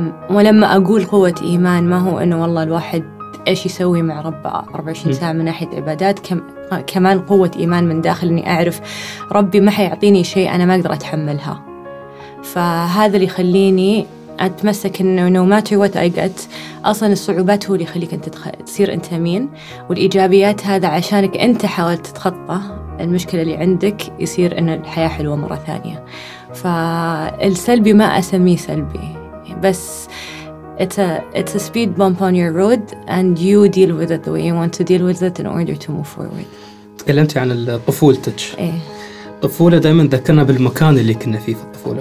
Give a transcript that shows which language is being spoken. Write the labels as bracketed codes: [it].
[ar] ولما أقول قوة إيمان، ما هو أنه والله الواحد إيش يسوي مع ربه 24 ساعة من ناحية عبادات، كمان قوة إيمان من داخل أني أعرف ربي ما حيعطيني شيء أنا ما أقدر أتحملها. فهذا اللي يخليني أتمسك أنه [en] no matter what I get، [ar] أصلا الصعوبات هو اللي يخليك أنت تصير أنت مين، والإيجابيات هذا عشانك أنت حاولت تتخطى المشكلة اللي عندك يصير أن الحياة حلوة مرة ثانية. فالسلبي ما أسميه سلبي، بس [en] it's a speed bump on your road and you deal with it the way you want to deal with it in order to move forward. [ar] تكلمتي عن طفولتك. إيه. طفولة دائما ذكرنا بالمكان اللي كنا فيه في الطفولة.